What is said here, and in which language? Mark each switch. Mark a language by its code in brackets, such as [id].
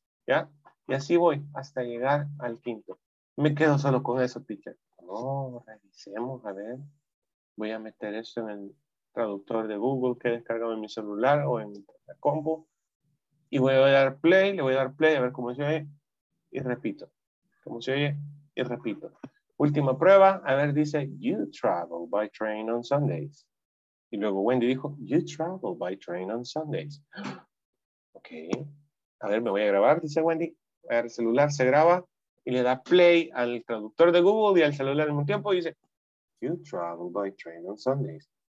[es] ¿Ya? Y así voy hasta llegar al 5º. Me quedo solo con eso, teacher. No, revisemos, a ver. Voy a meter eso en el traductor de Google que he descargado en mi celular o en la compu. Y voy a dar play, le voy a dar play a ver cómo se ve. Y repito. ¿Cómo se oye? Y repito. Última prueba. A ver, dice, [en] you travel by train on Sundays. [es] Y luego Wendy dijo, [en] you travel by train on Sundays. Ok. [es] A ver, me voy a grabar, dice Wendy. A ver, el celular se graba y le da play al traductor de Google y al celular al mismo tiempo. Y dice, [en] you travel by train on Sundays.